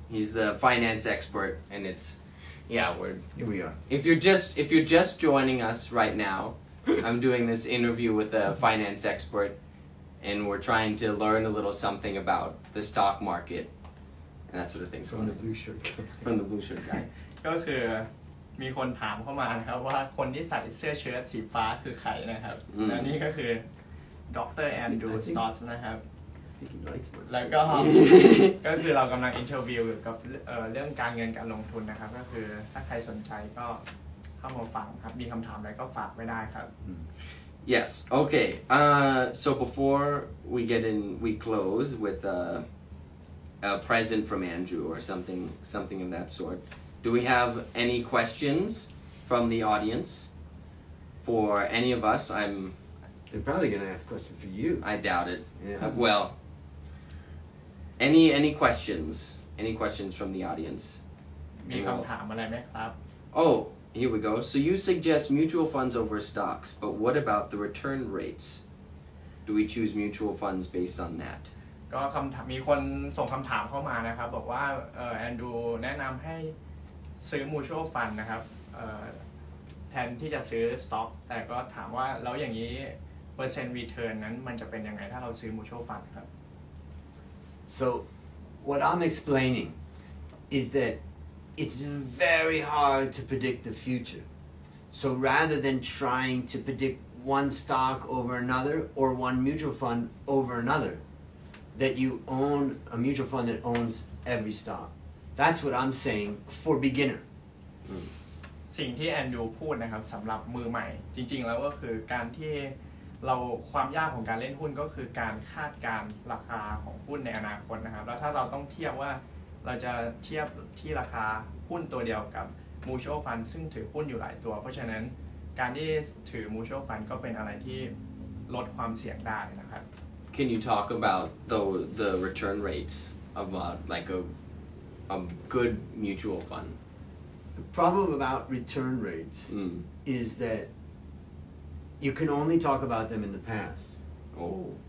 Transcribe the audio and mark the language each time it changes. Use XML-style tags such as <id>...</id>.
<en>he's the finance expert, and it's. Yeah, we're here. We are. If you're just joining us right now, I'm doing this interview with a finance expert, and we're trying to learn a little something about the stock market and that sort of thing. From the blue shirt guy.</en> <th>ก็คือมีคนถามเข้ามานะครับว่าคนที่ใส่เสื้อเชิ้ตสีฟ้าคือใครนะครับและนี่ก็คือดร. แอนดรู Stotz นะครับแล้วก็คือเรากำลังอินเทอร์วิวกับเรื่องการเงินการลงทุนนะครับก็คือถ้าใครสนใจก็เข้ามาฟังครับมีคำถามอะไรก็ฝากไว้ได้ครับ</th> <en>Yes okay so before we get in we close with a present from Andrew or something of that sort do we have any questions from the audience for any of us I'm they're probably gonna ask questions for you I doubt it yeah. Well. Any questions? Any questions from the audience?</en> <th>มีคำถามอะไรไหมครับ</th> <en>Oh, here we go. So you suggest mutual funds over stocks, but what about the return rates? Do we choose mutual funds based on that?</en> <th>ก็คำถามมีคนส่งคำถามเข้ามานะครับบอกว่าแอนดูแนะนำให้ซื้อ mutual fund นะครับแทนที่จะซื้อ stock แต่ก็ถามว่าแล้วอย่างนี้เปอร์เซ็นต์ return นั้นมันจะเป็นยังไงถ้าเราซื้อ mutual fund ครับ</th> <en>So, what I'm explaining is that it's very hard to predict the future. So rather than trying to predict one stock over another or one mutual fund over another, that you own a mutual fund that owns every stock. That's what I'm saying for beginner.</en> <th>สิ่งที่แอนดูพูดนะครับสำหรับมือใหม่จริงๆแล้วก็คือการที่เราความยากของการเล่นหุ้นก็คือการคาดการราคาของหุ้นในอนาคตนะครับแล้วถ้าเราต้องเทียบว่าเราจะเทียบที่ราคาหุ้นตัวเดียวกับ mutual fund ซึ่งถือหุ้นอยู่หลายตัวเพราะฉะนั้นการที่ถือ mutual fund ก็เป็นอะไรที่ลดความเสี่ยงได้นะครับ</th> <en>Can you talk about the return rates of like a good mutual fund The problem about return rates is thatYou can only talk about them in the past. Oh.</en>